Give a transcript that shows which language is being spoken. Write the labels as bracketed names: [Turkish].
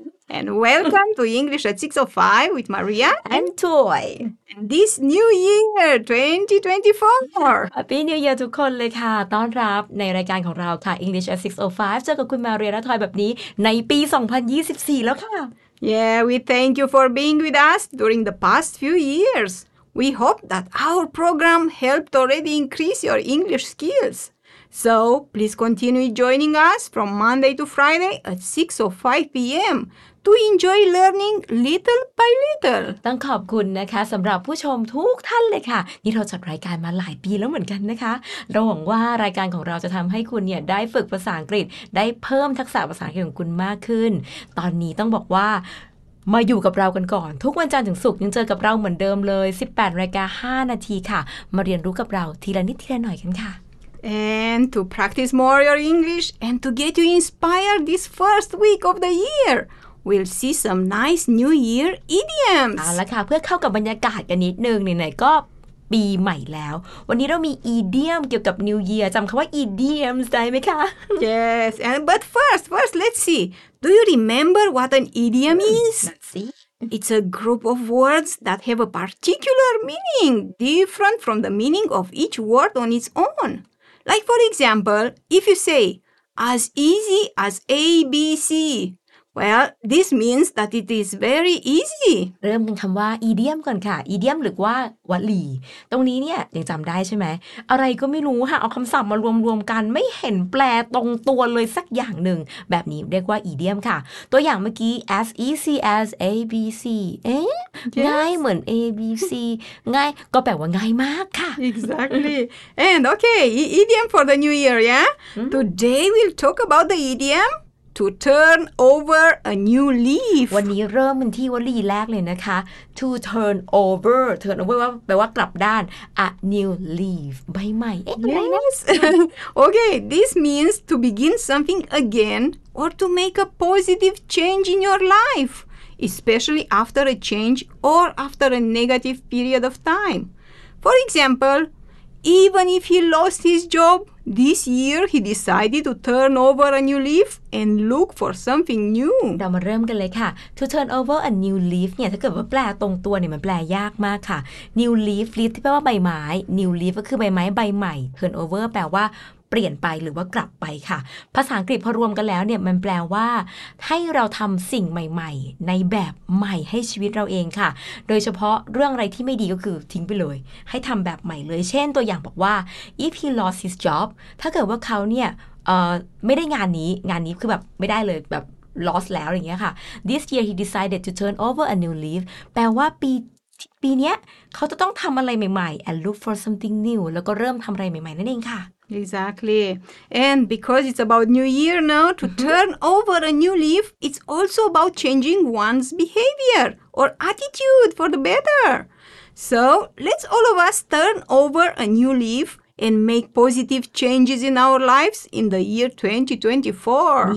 [English] And welcome to English at 6:05 with Maria and Toy. This New Year 2024. Happy New Year [Thai] ทุกคนเลยค่ะต้อนรับในรายการของเราค่ะ English at 6:05 เจอกับคุณมาเรียและทอยแบบนี้ในปี2024แล้วค่ะ [English] Yeah, we thank you for being with us during the past few years. We hope that our program helped already increase your English skills. So, please continue joining us from Monday to Friday at 6:05 p.m. to enjoy learning little by little. [Thai] ต้องขอบคุณนะคะสำหรับผู้ชมทุกท่านเลยค่ะนี่เราจัดรายการมาหลายปีแล้วเหมือนกันนะคะเราหวังว่ารายการของเราจะทำให้คุณเนี่ยได้ฝึกภาษาอังกฤษได้เพิ่มทักษะภาษาอังกฤษของคุณมากขึ้นตอนนี้ต้องบอกว่ามาอยู่กับเรากันก่อนทุกวันจันทร์ถึงศุกร์ยังเจอกับเราเหมือนเดิมเลย18:05 ค่ะมาเรียนรู้กับเราทีละนิดทีละหน่อยกันค่ะ [English] And to practice more your English and to get you inspired this first week of the year, we'll see some nice New Year idioms. [Thai] เอาละค่ะเพื่อเข้ากับบรรยากาศกันนิดนึงไหนๆก็ปีใหม่แล้ววันนี้เรามี idiom เกี่ยวกับ New Year จำคำว่า idioms ได้ไหมคะ [English] Yes, and but first let's see. Do you remember what an idiom is? Let's see. It's a group of words that have a particular meaning, different from the meaning of each word on its own. Like, for example, if you say, as easy as ABC, well, this means that it is very easy. [Thai] เริ่มกันคำว่า idiom ก่อนค่ะ idiom หรือว่าวลีตรงนี้เนี่ยยังจำได้ใช่ไหมอะไรก็ไม่รู้ค่ะเอาคำศัพท์มารวมกันไม่เห็นแปลตรงตัวเลยสักอย่างหนึ่งแบบนี้เรียกว่า idiom ค่ะตัวอย่างเมื่อกี้ as easy as ABC เอ๊ะ ง่ายเหมือน ABC ง่ายก็แปลว่าง่ายมากค่ะ [English] Exactly. And okay, idiom for the new year, yeah? Today we'll talk about the idiomTo turn over a new leaf. [Thai] วันนี้เริ่มที่วลีแรกเลยนะคะ To turn over. Turn over แปลว่ากลับด้าน A new leaf. ใบใหม่ [English] Yes. Okay. This means to begin something again or to make a positive change in your life. Especially after a change or after a negative period of time. For example, even if he lost his job,This year he decided to turn over a new leaf and look for something new. [Thai] เรามาเริ่มกันเลยค่ะ To turn over a new leaf เนี่ยถ้าเกิดว่าแปลตรงตัวเนี่ยมันแปลยากมากค่ะ New leaf ที่แปลว่าใบไม้ New leaf ก็คือใบไม้ใบใหม่ Turn over แปลว่าเปลี่ยนไปหรือว่ากลับไปค่ะภาษาอังกฤษพอรวมกันแล้วเนี่ยมันแปลว่าให้เราทำสิ่งใหม่ๆในแบบใหม่ให้ชีวิตเราเองค่ะโดยเฉพาะเรื่องอะไรที่ไม่ดีก็คือทิ้งไปเลยให้ทำแบบใหม่เลยเช่นตัวอย่างบอกว่า [English] if he lost his job [Thai] ถ้าเกิดว่าเขาเนี่ย ไม่ได้งานนี้คือแบบไม่ได้เลยแบบ lost แล้วอย่างเงี้ยค่ะ [English] this year he decided to turn over a new leaf [Thai] แปลว่าปีนี้เขาจะต้องทำอะไรใหม่ๆ [English] and look for something new [Thai] แล้วก็เริ่มทำอะไรใหม่ๆนั่นเองค่ะ [English] Exactly. And because it's about New Year now, to turn over a new leaf, it's also about changing one's behavior or attitude for the better. So let's all of us turn over a new leaf and make positive changes in our lives in the year 2024.